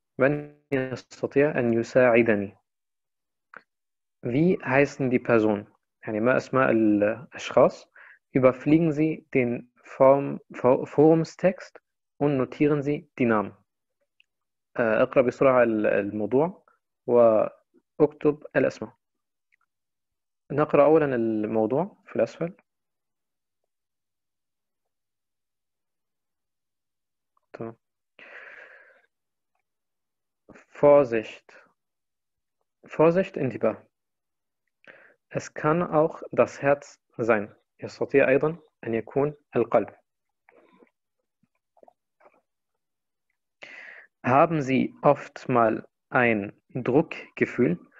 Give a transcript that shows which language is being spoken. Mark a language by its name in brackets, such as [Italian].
[Arabic] من يستطيع أن يساعدني؟ [German] Wie heißen die Personen? [Arabic] يعني ما أسماء الأشخاص؟ [German] Überfliegen Sie den Forumstext und notieren Sie die Namen. [Arabic] اقرأ بسرعة الموضوع واكتب الأسماء. نقرأ أولا الموضوع في الأسفل. [German] Vorsicht. Vorsicht, انتباه. Es kann auch das Herz sein. [Arabic] يستطيع أيضا أن يكون القلب. [German] Haben Sie oft mal ein Druckgefühl?